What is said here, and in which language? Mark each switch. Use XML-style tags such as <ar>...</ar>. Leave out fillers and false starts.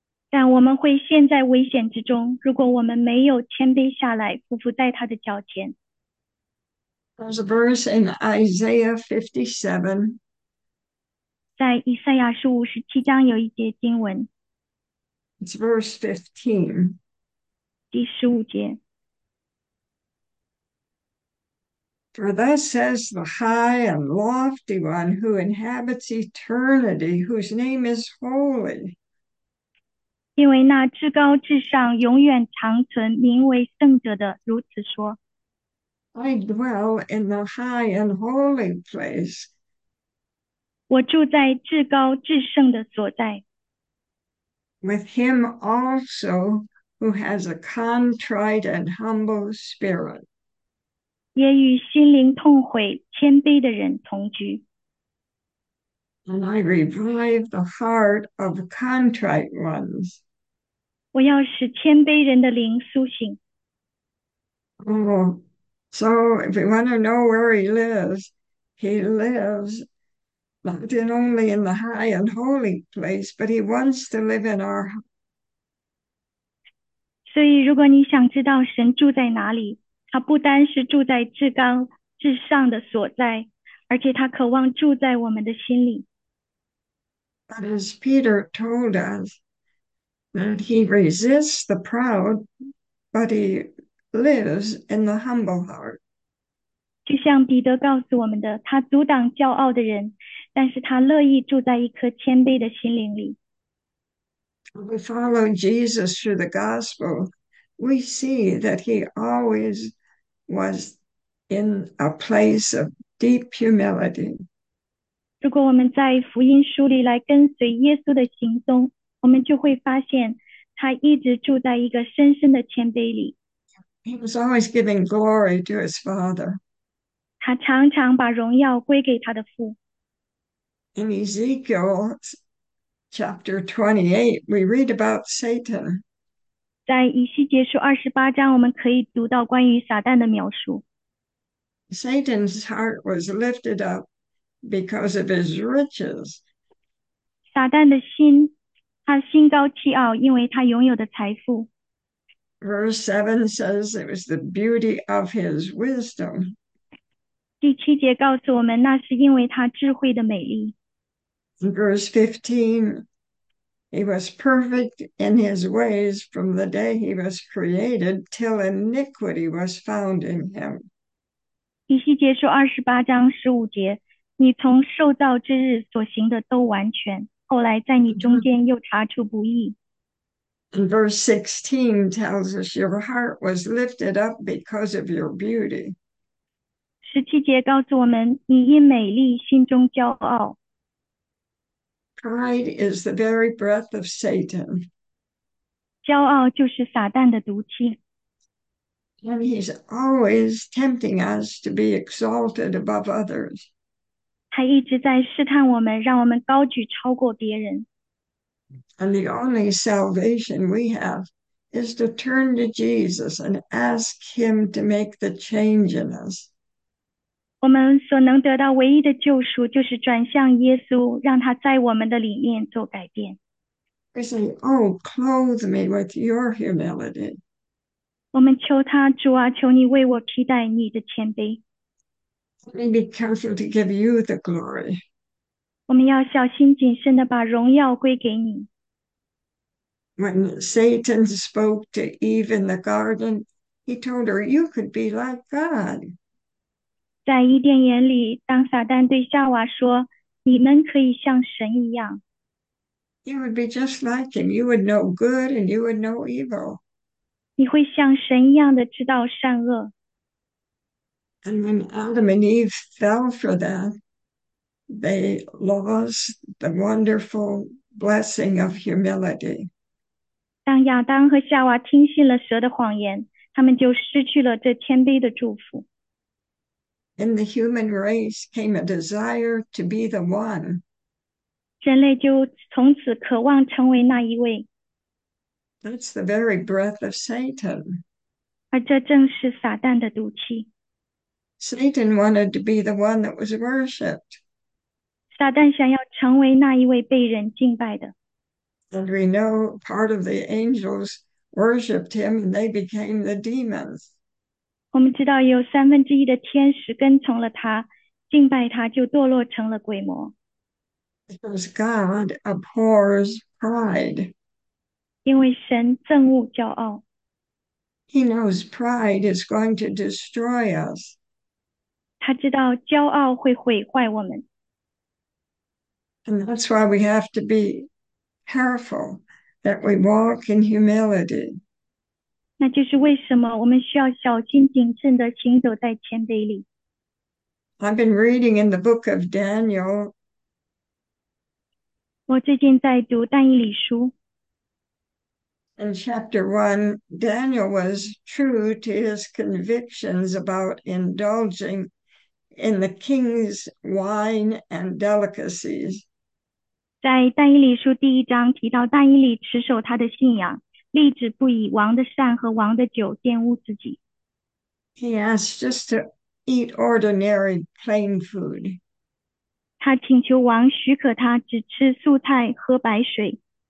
<zh>但我们会陷在危险之中，如果我们没有谦卑下来，匍匐在他的脚前。</zh> <en>There's a verse in Isaiah 57.</en> <zh>在以赛亚书57章有一节经文，</zh> <en>It's verse 15.</en> <zh>第15节。</zh> <en>For thus says the high and lofty one who inhabits eternity, whose name is holy.</en> <zh>因为那至高至上、永远长存、名为圣者的如此说：“</zh> <en>I dwell in the high and holy place.</en> <zh>我住在至高至圣的所在。</zh> <en>With him also who has a contrite and humble spirit.</en> <zh>”也与心灵痛悔、谦卑的人同居。</zh> <en>And I revive the heart of contrite ones.</en> <zh>我要使谦卑人的灵苏醒。</zh> <en>So, if we want to know where he lives not only in the high and holy place, but he wants to live in our heart.</en> <zh>所以，如果你想知道神住在哪里，他不单是住在至高至上的所在，而且他渴望住在我们的心里。</zh> <en>But as Peter told us, that he resists the proud, but he lives in the humble heart.</en> <zh>就像彼得告诉我们的，他阻挡骄傲的人，但是他乐意住在一颗谦卑的心灵里。</zh> <en>We follow Jesus through the gospel. We see that he always was in a place of deep humility.</en> <zh>如果我们在福音书里来跟随耶稣的行踪，我们就会发现他一直住在一个深深的谦卑里。</zh> <en>He was always giving glory to his father.</en> <zh>他常常把荣耀归给他的父。</zh> <en>In Ezekiel chapter 28, we read about Satan.</en> <zh>在以西结书28章，我们可以读到关于撒旦的描述。</zh> <en>Satan's heart was lifted up because of his riches.</en> <zh>撒旦的心，他心高气傲，因为他拥有的财富。</zh> <en>Verse 7 says it was the beauty of his wisdom.</en> <zh>第7节告诉我们，那是因为他智慧的美丽。</zh> <en>In verse 15, he was perfect in his ways from the day he was created till iniquity was found in him.</en> <zh>第7节书28章15节，你从受造之日所行的都完全，后来在你中间又查出不义。</zh> <en>And verse 16 tells us your heart was lifted up because of your beauty.</en> <zh>17节告诉我们，你因美丽心中骄傲。</zh> <en>Pride is the very breath of Satan.</en> <zh>骄傲就是撒旦的毒气。</zh> <en>And he's always tempting us to be exalted above others.</en> <zh>他一直在试探我们，让我们高举超过别人。</zh> <en>And the only salvation we have is to turn to Jesus and ask him to make the change in us.</en> <zh>我们所能得到唯一的救赎，就是转向耶稣，让他在我们的里面做改变。</zh> <en>We say, oh, clothe me with your humility.</en> <zh>我们求他，主啊，求你为我替代你的谦卑。</zh> <en>Let me be careful to give you the glory.</en> <zh>我们要小心谨慎地把荣耀归给你。</zh> <en>When Satan spoke to Eve in the garden, he told her, you could be like God.</en> <zh>在伊甸园里，当撒旦对夏娃说："你们可以像神一</zh> <en>You would be just like him. You would know good and you would know evil.</en> <zh>”，你会像神一样的知道善恶。</zh> <en>And when Adam and Eve fell for that, they lost the wonderful blessing of humility.</en> <zh>当亚当和夏娃听信了蛇的谎言，他们就失去了这谦卑的祝福。</zh> <en>In the human race came a desire to be the one.</en> <zh>人类就从此渴望成为那一位，</zh> <en>That's the very breath of Satan.</en> <zh>而这正是撒旦的毒气。</zh> <en>Satan wanted to be the one that was worshipped.</en> <zh>撒旦想要成为那一位被人敬拜的。</zh> <en>And we know part of the angels worshipped him and they became the demons.</en> <zh>我们知道有1/3的天使跟从了他，敬拜他就堕落成了鬼魔。</zh> <en>Because God abhors pride.</en> <zh>因为神憎恶骄傲，</zh> <en>He knows pride is going to destroy us.</en> <zh>他知道骄傲会毁坏我们。</zh> <en>And that's why we have to be careful that we walk in humility.</en> <zh>那就是为什么我们需要小心谨慎地行走在谦卑里。</zh> <en>I've been reading in the book of Daniel.</en> <zh>我最近在读但以理书。</zh> <en>In chapter one, Daniel was true to his convictions about indulging in the king's wine and delicacies.</en> <zh>在但以理书第一章提到，但以理持守他的信仰，立志不以王的膳和王的酒玷污自己。</zh> <en>He asked just to eat ordinary plain food.</en> <zh>他请求王许可他只吃素菜喝白水。</zh>